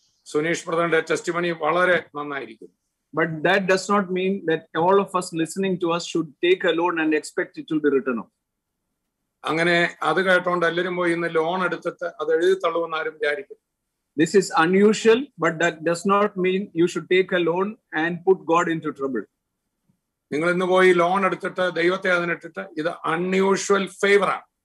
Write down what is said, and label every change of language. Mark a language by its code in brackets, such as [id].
[ml] സുനീഷ് ബ്രദറിന്റെ ടെസ്റ്റിമണി വളരെ നന്നായിരിക്കും. [en] But that does not mean that all of us listening to us should take a loan and expect it to be written off. [ml] അങ്ങനെ അത് കേട്ടോണ്ട് എല്ലാരും പോയി ഇന്ന് ലോൺ എടുത്തിട്ട് അത് എഴുതി തള്ളുമെന്ന് ആരും വിചാരിക്കും. [en] This is unusual, but that does not mean you should take a loan and put God into trouble. [ml] നിങ്ങൾ ഇന്ന് പോയി ലോൺ എടുത്തിട്ട് ദൈവത്തെ അതിനിട്ടിട്ട് ഇത് അൺയൂഷ്വൽ ഫേവറാണ്.